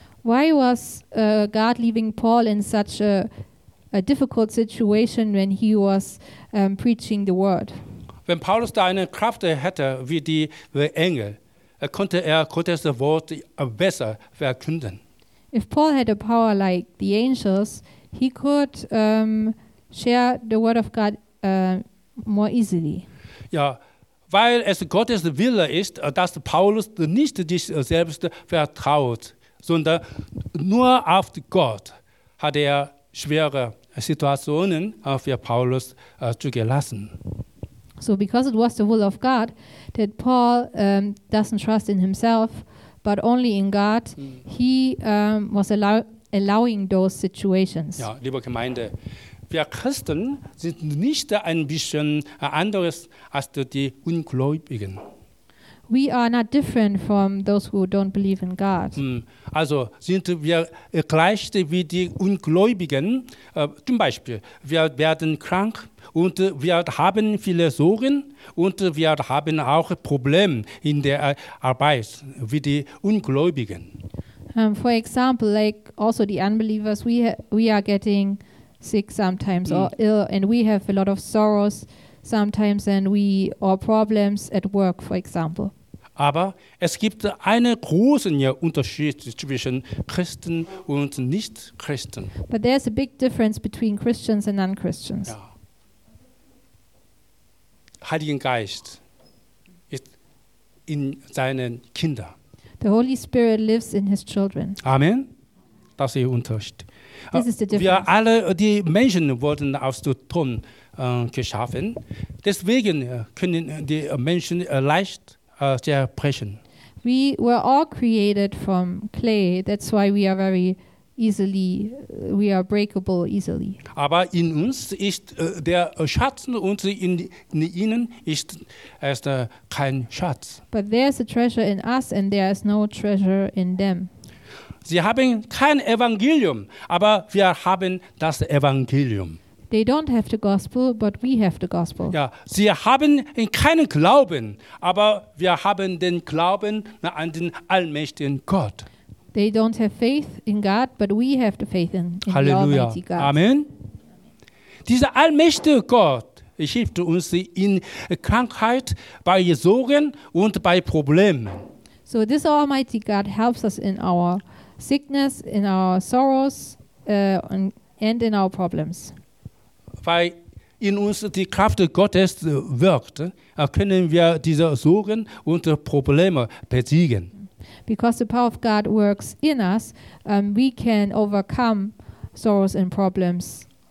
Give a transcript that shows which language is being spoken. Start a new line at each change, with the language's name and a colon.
English: Why was God leaving Paul in such a difficult situation when he was preaching the word?
German: wenn Paulus da eine Kraft hätte wie die Engel, konnte er Gottes Wort besser verkünden.
English: If Paul had a power like the angels, he could share the word of God more easily.
German: Ja, weil es Gottes Wille ist, dass Paulus nicht sich selbst vertraut, sondern nur auf Gott hat er schwere Situationen für Paulus zugelassen.
English: So because it was the will of God that Paul doesn't trust in himself, but only in God, he was allowing those situations.
German: Ja, liebe Gemeinde, wir Christen sind nicht ein bisschen anderes als die Ungläubigen.
English: We are not different from those who don't believe in God.
German: Also sind wir gleich wie die Ungläubigen. Zum Beispiel, wir werden krank und wir haben viele Sorgen und wir haben auch Probleme in der Arbeit wie die Ungläubigen.
English: For example, like also the unbelievers, we are getting sick sometimes or ill, and we have a lot of sorrows sometimes, and we or problems at work, for example.
German: Aber es gibt einen großen Unterschied zwischen Christen und Nicht-Christen.
English: But there's a big difference between Christians and non-Christians.
German: Ja. Heiligen Geist ist in seinen Kindern.
English: The Holy Spirit lives in his children.
German: Amen. Das ist der Unterschied.
English: This is the difference.
German: Wir alle, die Menschen wurden aus dem Ton geschaffen. Deswegen können die Menschen leicht zerbrechen.
English: We were all created from clay. That's why we are very easily, we are breakable easily.
German: Aber in uns ist der Schatz und in ihnen ist es kein Schatz.
English: But there's a treasure in us and there is no treasure in them.
German: Sie haben kein Evangelium, aber wir haben das Evangelium.
English: They don't have the gospel, but we have the gospel.
German: Ja, sie haben keinen Glauben, aber wir haben den Glauben an den allmächtigen Gott.
English: They don't have faith in God, but we have the faith in the Almighty God. Halleluja. Amen.
German: Dieser allmächtige Gott hilft uns in Krankheit, bei Sorgen und bei Problemen.
English: So this Almighty God helps us in our sickness, in our sorrows and in our problems.
German: Weil in uns die Kraft Gottes wirkt, können wir diese Sorgen und Probleme besiegen.
English: Because the power of God works in us, we can overcome sorrows and problems.